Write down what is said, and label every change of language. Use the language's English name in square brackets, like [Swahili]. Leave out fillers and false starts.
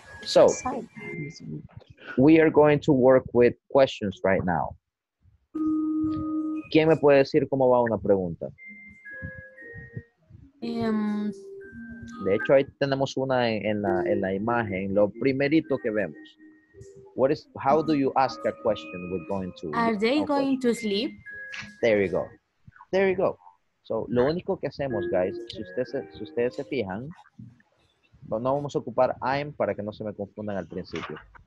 [English] So, we are going to work with questions right now. [Spanish] ¿Quién me puede decir cómo va una pregunta? De hecho, ahí tenemos una en la imagen, lo primerito que vemos. [English] How do you ask a question with going to? Are they going to sleep? There you go. So, [Spanish] lo único que hacemos, guys, si ustedes se fijan, no vamos a ocupar I'm para que no se me confundan al principio.